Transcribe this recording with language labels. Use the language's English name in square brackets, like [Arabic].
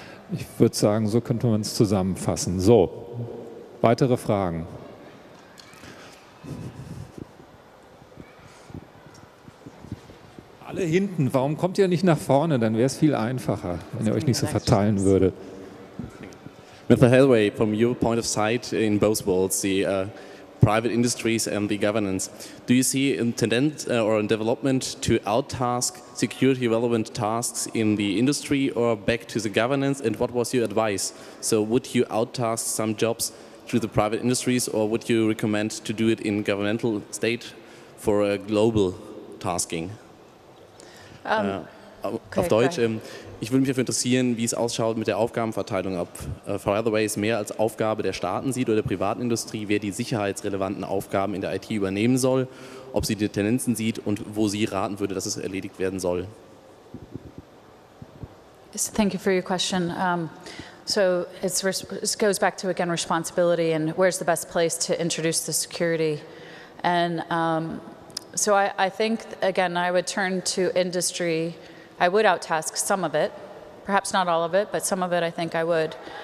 [German] Ich würde sagen, so könnte man es zusammenfassen. So, weitere Fragen. Alle hinten, warum kommt ihr nicht nach vorne? Dann wäre es viel einfacher, wenn ihr euch nicht so verteilen würde. [English] Mr. Hathaway, from your point of sight in both worlds, the private industries and the governance, do you see a tendency or a development to outtask security relevant tasks in the industry or back to the governance, and what was your advice? So would you outtask some jobs to the private industries, or would you recommend to do it in governmental state for a global tasking? [German] Okay, auf Deutsch, ich würde mich dafür interessieren, wie es ausschaut mit der Aufgabenverteilung, ob Frau Hathaway es mehr als Aufgabe der Staaten sieht oder der privaten Industrie, wer die sicherheitsrelevanten Aufgaben in der IT übernehmen soll, ob sie die Tendenzen sieht und wo sie raten würde, dass es erledigt werden soll. [English] Thank you for your question. So it goes back to, again, responsibility and where's the best place to introduce the security. And so I think, again, I would turn to industry. I would outtask some of it, perhaps not all of it, but some of it I think I would.